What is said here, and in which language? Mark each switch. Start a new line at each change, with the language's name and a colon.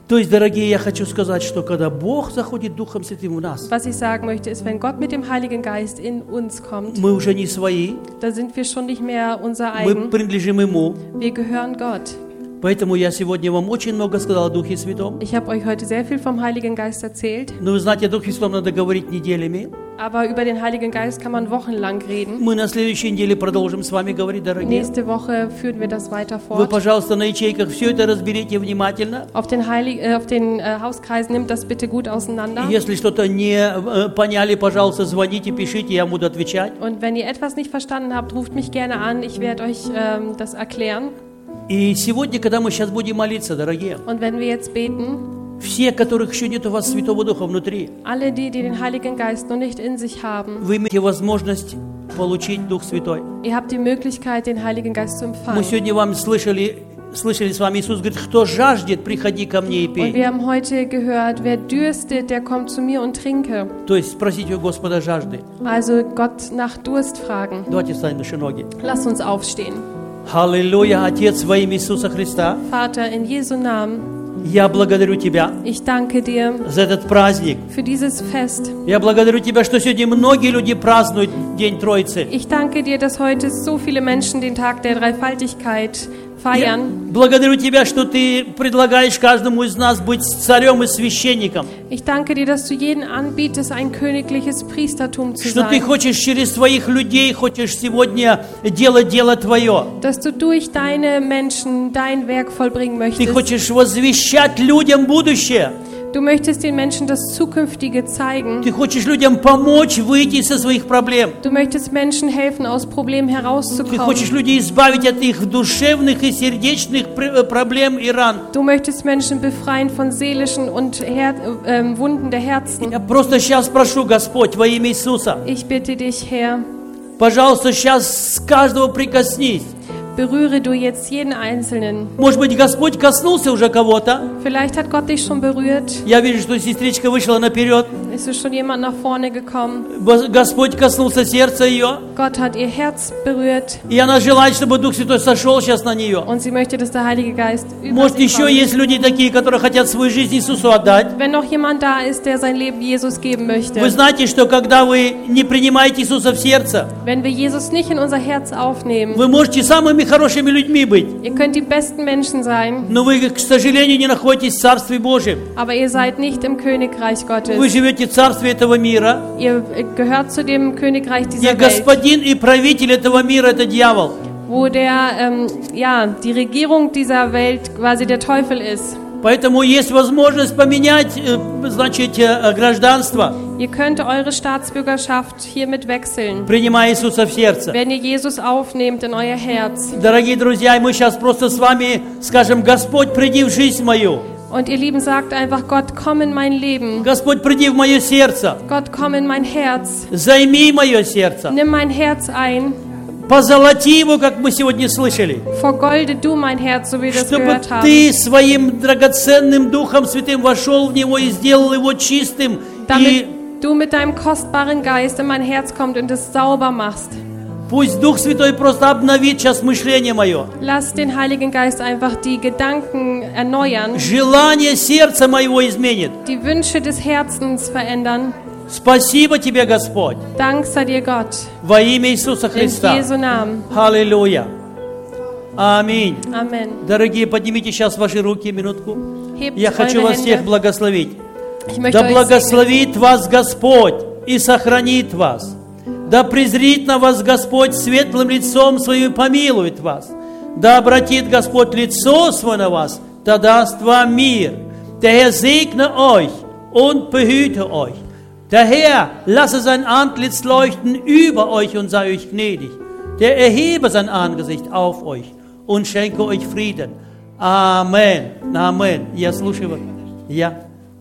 Russian: То есть, дорогие, я хочу сказать, что когда Бог заходит Духом Святым в нас,
German: was ich sagen möchte, ist, wenn Gott mit dem Heiligen Geist in uns kommt,
Russian: мы уже не свои,
German: da sind wir schon nicht mehr unser eigen,
Russian: мы принадлежим Ему,
German: wir gehören Gott.
Russian: Поэтому я сегодня вам очень много сказал о Духе Святом.
German: Ich habe euch heute sehr viel vom Heiligen Geist erzählt.
Russian: Но вы знаете, о Духе Святом надо говорить неделями.
German: Aber über den Heiligen Geist kann man wochenlang reden.
Russian: Мы на следующей неделе продолжим с вами говорить, дорогие.
German: Nächste Woche führen wir das weiter fort.
Russian: Вы, пожалуйста, на ячейках все это разберите внимательно.
German: Auf den Hauskreisen nimmt das bitte gut auseinander.
Russian: Если что-то не поняли, пожалуйста, звоните, пишите, я буду отвечать.
German: Und wenn ihr etwas nicht verstanden habt, ruft mich gerne an, ich werde euch das erklären.
Russian: И сегодня, когда мы сейчас будем молиться, дорогие,
German: und wenn wir jetzt beten,
Russian: все, которых еще нет у вас Святого Духа внутри,
German: alle die, die den Heiligen Geist noch nicht in sich haben,
Russian: вы имеете возможность получить Дух Святой.
German: Ihr habt die Möglichkeit, den Heiligen Geist zu empfangen.
Russian: Мы сегодня вам слышали с вами, Иисус говорит, кто жаждет, приходи ко мне и пей.
German: Und wir haben heute gehört, wer dürstet, der kommt zu mir und trinke.
Russian: То есть спросите у Господа жажды.
German: Also Gott nach Durst fragen.
Russian: Давайте встанем наши ноги.
German: Lass uns aufstehen.
Russian: Halleluja, Отец, во имя Иисуса Христа.
German: Vater, in Jesu Namen.
Russian: Я благодарю тебя.
German: Ich danke dir.
Russian: За этот праздник.
German: Für dieses Fest.
Russian: Я благодарю тебя, что сегодня многие люди празднуют День Троицы.
German: Ich danke dir, dass heute so viele Menschen den Tag der Dreifaltigkeit feiern.
Russian: Я благодарю тебя, что ты предлагаешь каждому из нас быть царем и священником.
German: Ich danke dir, dass du jeden anbietest, ein königliches Priestertum zu sein.
Russian: Что ты хочешь через своих людей хочешь сегодня делать дело твое.
German: Dass du durch deine Menschen dein Werk vollbringen möchtest.
Russian: Ты хочешь возвещать людям будущее.
German: Du möchtest den Menschen das Zukünftige zeigen.
Russian: Ты хочешь людям помочь выйти из своих проблем.
German: Du möchtest Menschen helfen, aus Problemen herauszukommen.
Russian: Ты хочешь людей избавить от их душевных и сердечных проблем и ран.
German: Du möchtest Menschen befreien von seelischen und Wunden der Herzen.
Russian: Я просто сейчас прошу, Господь, во имя Иисуса.
German: Ich bitte dich, Herr.
Russian: Пожалуйста, сейчас с каждого прикоснись.
German: Berühre du jetzt jeden Einzelnen.
Russian: Может быть, Господь коснулся уже кого-то.
German: Vielleicht hat Gott dich schon berührt.
Russian: Я вижу, что сестричка вышла наперед.
German: Es ist schon jemand nach vorne gekommen.
Russian: Господь коснулся сердца ее.
German: Gott hat ihr Herz berührt.
Russian: И она желает, чтобы Дух Святой сошел сейчас на нее.
German: Und sie möchte, dass der Heilige Geist über sie
Russian: Может, еще
German: kommt.
Russian: Есть люди такие, которые хотят свою жизнь Иисусу отдать.
German: Wenn noch jemand da ist, der sein Leben Jesus geben möchte.
Russian: Вы знаете, что когда вы не принимаете Иисуса в сердце,
German: wenn wir Jesus nicht in unser Herz aufnehmen,
Russian: вы можете самыми хорошими людьми быть.
German: Ihr könnt die besten Menschen sein.
Russian: Но вы, к сожалению, не находитесь в Царстве Божьем.
German: Aber ihr seid nicht im Königreich Gottes.
Russian: Вы живете в Царстве этого мира.
German: Ihr gehört zu dem Königreich dieser Welt.
Russian: Где господин и правитель этого мира — это дьявол.
German: Wo der, die Regierung dieser Welt quasi der Teufel ist.
Russian: Поэтому есть возможность поменять, гражданство.
German: Ihr könnt eure Staatsbürgerschaft hiermit wechseln.
Russian: Принимая Иисуса в сердце.
German: Wenn ihr Jesus aufnehmt in euer Herz.
Russian: Дорогие друзья, мы сейчас просто с вами скажем: Господь, приди в жизнь мою.
German: Und ihr Lieben, sagt einfach: Gott, komm in mein Leben.
Russian: Господь, приди в мое сердце.
German: Gott, komm in mein Herz.
Russian: Займи мое сердце.
German: Nimm mein Herz ein.
Russian: Позолоти его, как мы сегодня слышали.
German: Vergolde du mein Herz, so wie wir das
Russian: чтобы
German: gehört haben.
Russian: Ты своим драгоценным Духом Святым вошел в него и сделал его чистым.
German: Damit
Russian: и
German: du mit deinem kostbaren Geist in mein Herz kommst und es sauber machst.
Russian: Пусть Дух Святой просто обновит сейчас мышление мое.
German: Lass den Heiligen Geist einfach die Gedanken erneuern.
Russian: Желание сердца моего изменит.
German: Die Wünsche des Herzens verändern.
Russian: Спасибо тебе, Господь.
German: Dank sei dir, Gott.
Russian: Во имя Иисуса Христа.
German: In Jesu Namen.
Russian: Halleluja. Аминь.
German: Amen.
Russian: Дорогие, поднимите сейчас ваши руки минутку.
German: Hebt
Russian: Я хочу вас
German: Hände.
Russian: Всех благословить.
German: Ich möchte
Russian: да благословит
German: euch
Russian: вас Господь и сохранит вас. Да презрит на вас Господь светлым лицом своим и помилует вас. Да обратит Господь лицо свое на вас, да даст вам мир.
German: Der Herr segne euch und behüte euch. Der Herr lasse sein Antlitz leuchten über euch und sei euch gnädig. Der erhebe sein Angesicht auf euch und schenke euch Frieden. Amen. Amen.
Russian: Я слушаю вас. Я.